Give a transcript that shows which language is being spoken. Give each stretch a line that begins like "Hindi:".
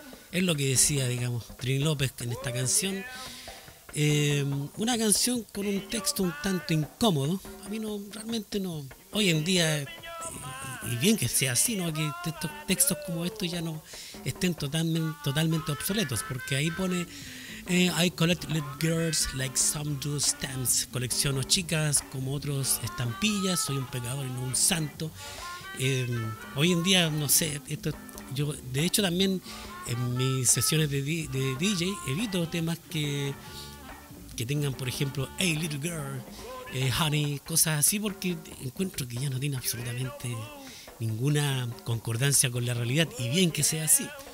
Spanish: Es lo que decía, digamos, Trini López en esta canción. Una canción con un texto un tanto incómodo. A mí no, realmente no. Hoy en día, y bien que sea así, ¿no? Que estos textos como estos ya no estén totalmente obsoletos, porque ahí pone.
English: I collect little girls like some do stamps.
Spanish: Colecciono chicas como otros estampillas. Soy un pecador y no un santo. Hoy en día, no sé, esto, yo de hecho también en mis sesiones de DJ evito temas que tengan, por ejemplo,
English: hey little girl, honey,
Spanish: cosas así, porque encuentro que ya no tiene absolutamente ninguna concordancia con la realidad, y bien que sea así.